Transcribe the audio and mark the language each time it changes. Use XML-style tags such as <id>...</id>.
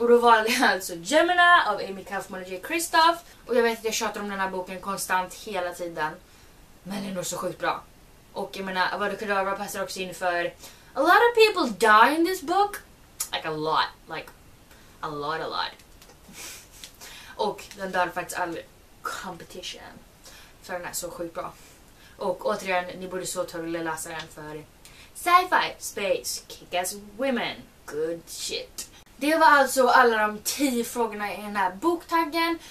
<sv>Och då valde jag alltså Gemina av Amy Kaufman och J. Kristoff. Och jag vet att jag tjatar om den här boken konstant hela tiden. Men den är så sjukt bra. Och jag menar, Avada Kedavra passar också in för...</sv> <en>A lot of people die in this book. Like a lot. Like a lot, a lot.</en> <sv>Och den dör faktiskt</sv> <en>all competition.</en> <sv>För den är så sjukt bra. Och återigen, ni borde så törre läsa den för</sv> <en>sci-fi, space, kick-ass women. Good shit.</en> <sv>Det var alltså alla de 10 frågorna i den här boktaggen.</sv>